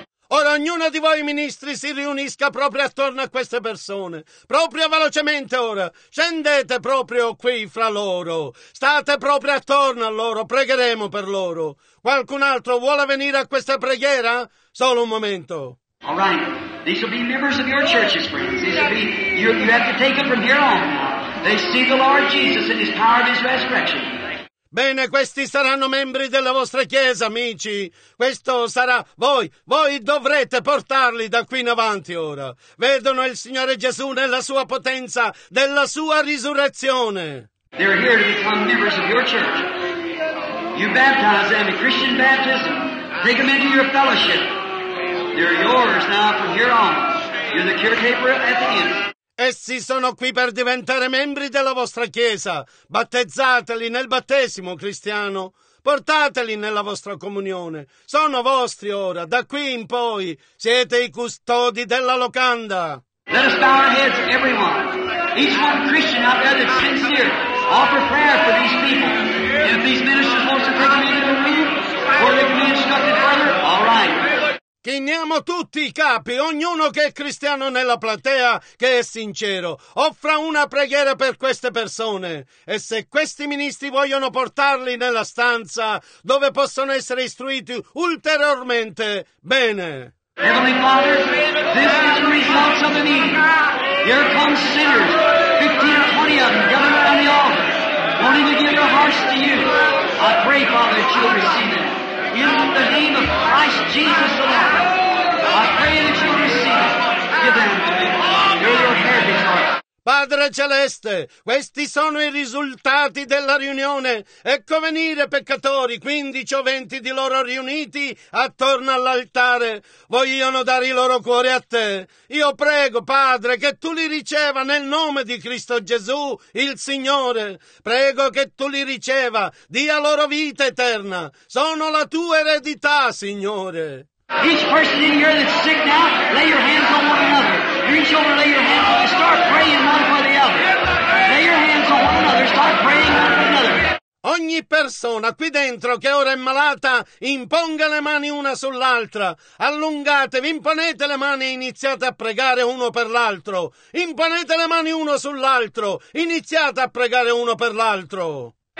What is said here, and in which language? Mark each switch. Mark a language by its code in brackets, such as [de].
[it] Ora ognuno di voi ministri si riunisca proprio attorno a queste persone, proprio velocemente ora, scendete proprio qui fra loro, state proprio attorno a loro, pregheremo per loro. Qualcun altro vuole venire a questa preghiera? Solo un momento. [en] All right, these will be members of your churches, friends. These will be, you have to take them from here on. They see the Lord Jesus in His power of His resurrection. [it] Bene, questi saranno membri della vostra chiesa, amici. Questo sarà voi. Voi dovrete portarli da qui in avanti ora. Vedono il Signore Gesù nella sua potenza, della sua risurrezione. [en] They're here to become members of your church. You baptize them in Christian baptism. Take them into your fellowship. They're yours now from here on. You're the caretaker at the end. [it] Essi sono qui per diventare membri della vostra chiesa. Battezzateli nel battesimo cristiano. Portateli nella vostra comunione. Sono vostri ora. Da qui in poi siete i custodi della locanda. [en] Let us bow our heads, everyone. Each one Christian out there that's sincere. Offer prayer for these people. And if these ministers want to take them into the room, or they can be instructed further, all right. [it] Chiniamo tutti i capi, ognuno che è cristiano nella platea, che è sincero, offra una preghiera per queste persone. E se questi ministri vogliono portarli nella stanza dove possono essere istruiti ulteriormente, bene. [en] Heavenly Father, this is the result of the need. Here come sinners, 15 or 20 of them, gathered on the altar, wanting to give their hearts to you. I pray, Father, that you'll receive them. In the name of Christ Jesus alone, I pray that you receive it. Give them to me. You're your heritage, Lord. [it] Padre Celeste, questi sono i risultati della riunione. Ecco venire peccatori, 15 o 20 di loro riuniti attorno all'altare. Vogliono dare i loro cuori a te. Io prego, Padre, che tu li riceva nel nome di Cristo Gesù, il Signore. Prego che tu li riceva, dia loro vita eterna. Sono la tua eredità, Signore. [en] Each person in here that's sick now, lay your hands on one another. Reach over, lay your hands on them. Start praying one for the other. Lay your hands on one another. Start praying one for another. [it] Ogni ogni persona qui dentro che ora è malata imponga le mani una sull'altra. Allungatevi, imponete le mani e iniziate a pregare uno per l'altro. Imponete le mani uno sull'altro. Iniziate a pregare uno per l'altro.